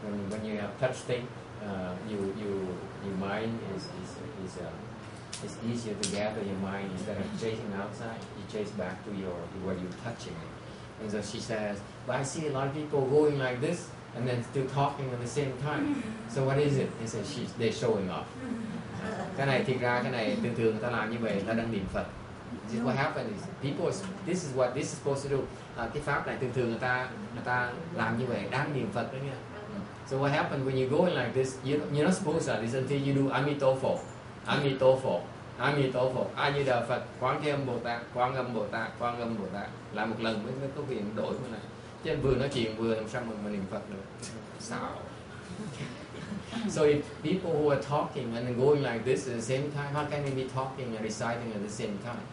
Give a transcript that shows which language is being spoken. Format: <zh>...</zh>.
<en>When you have touch thing, your mind is easier to gather your mind instead of chasing outside. You chase back to your what you're touching. And so she says, but I see a lot of people going like this and then still talking at the same time. So what is it? And so they're showing off.</en> <vi>Cái này thiệt ra cái này thường thường người ta làm như vậy, người ta đang niệm Phật.</vi> <en>This is what happens is people is, this is what this is supposed to do.</en> <vi>Cái pháp này thường thường người ta làm như vậy, đang niệm Phật đó nha.</vi> <en>So what happens when you go in like this, you're not supposed to do this until you do Amitofo.</en> <zh>Amitofo. Amitofo.</zh> <vi>A Di Đà Phật, Quán Thế Âm Bồ Tát, Quán Âm Bồ Tát, Quán Âm Bồ Tát. Làm một lần mới có quyền đổi như này. Chứ vừa nói chuyện vừa làm sao mà niệm Phật được. Sao?</vi> <en>So if people who are talking and going like this at the same time, how can they be talking and reciting at the same time?</en>